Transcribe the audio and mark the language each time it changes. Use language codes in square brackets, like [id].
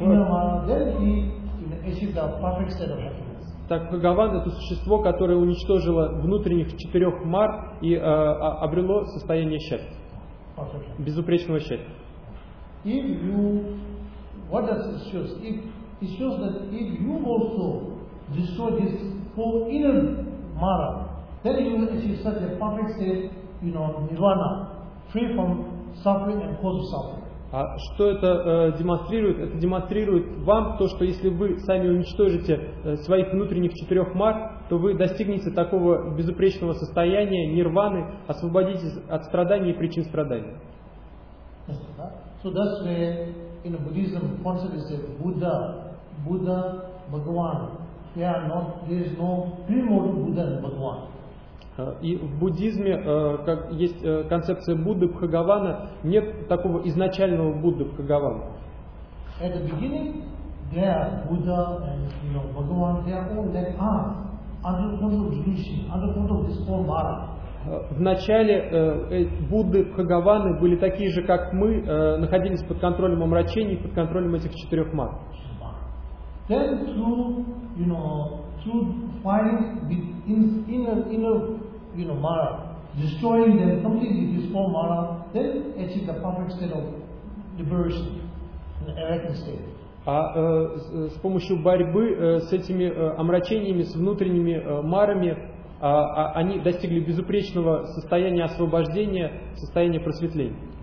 [en] inner mara, then he achieved the perfect state of happiness. [ru] Так Бхагаван — это существо, которое уничтожило внутренних четырех мар и обрело состояние счастья. [en] Perfect. [ru] Безупречного счастья. [en] If you What does it show? It shows that if you also destroy this whole inner mara, then you will achieve such a perfect state, nirvana, free from suffering and cause of suffering. [ru] А что это демонстрирует? Это демонстрирует вам то, что если вы сами уничтожите своих внутренних четырех мар, то вы достигнете такого безупречного состояния, нирваны, освободитесь от страданий и причин страдания. [en] So that's where in Buddhism concept is said Buddha, Buddha, Bhagavan. There is no primal Buddha and Bhagavan. [ru] И в буддизме как есть концепция Будды Бхагавана, нет такого изначального Будды Бхагавана. [en] At the beginning, there Buddha and Bhagavan, they are all that are under control of delusion, under control of this whole Mara. [ru] В начале Будды Бхагаваны были такие же, как мы, находились под контролем омрачений, под контролем этих четырех мар. [en] Then through, you know, through fighting with inner you know Mara, destroying them completely, this whole Mara, then achieve the perfect state of liberation, an awakened state. [ru] А с помощью борьбы с этими омрачениями, с внутренними марами, они достигли безупречного состояния освобождения, состояния просветления.